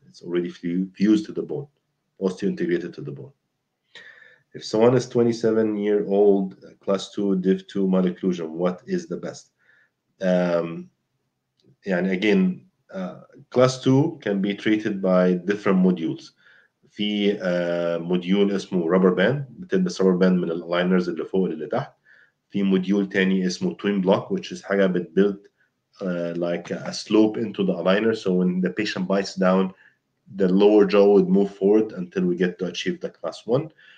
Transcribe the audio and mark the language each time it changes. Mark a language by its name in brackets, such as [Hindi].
[English] It's already fused to the bone, osteointegrated to the bone. If someone is 27 year old, class 2, div 2, malocclusion, what is the best? And again, class 2 can be treated by different modules. [Arabic] في module اسمه rubber band, بتلبس rubber band من aligners اللي فوق اللي تحت. في module تاني اسمه twin block, [English] which is [Arabic] حاجة بتبلد [English] like a slope into the aligner. So when the patient bites down, the lower jaw would move forward until we get to achieve the class 1.